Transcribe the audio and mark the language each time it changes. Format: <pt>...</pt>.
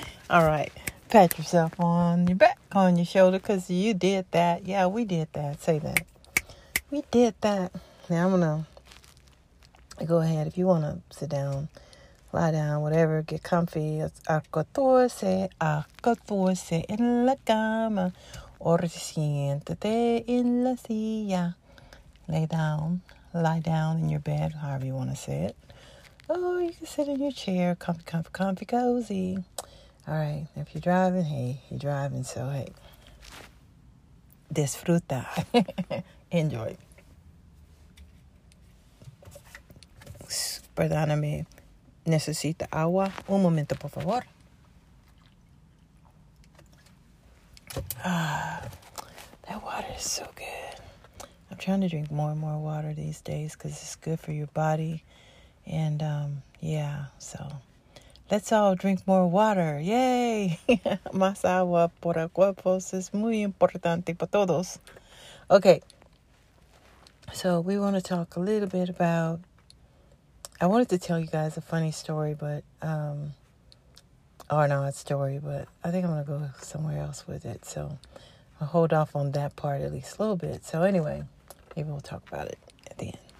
<en>All right, pat yourself on your back, on your shoulder, because you did that. Yeah, we did that. Say that. We did that. Now I'm going to go ahead, if you want to sit down, lie down, whatever, get comfy.</en> <es>Acostarse, acostarse en la cama, or siéntate en la silla.</es> <en>Lie down in your bed, however you want to say it. Oh, you can sit in your chair, comfy, comfy, comfy, cozy. All right, if you're driving, hey, you're driving, so hey, disfruta, enjoy.</en> <es>Perdóname, necesita agua. Un momento, por favor.</es> <en>Ah, that water is so good. I'm trying to drink more and more water these days because it's good for your body. And yeah, so let's all drink more water. Yay!</en> <es>Más agua para cuerpos es muy importante para todos.</es> <en>Okay, so we want to talk a little bit about, I wanted to tell you guys a funny story, but, or not a story, but I think I'm going to go somewhere else with it. So I'll hold off on that part at least a little bit. So anyway, maybe we'll talk about it at the end.</en>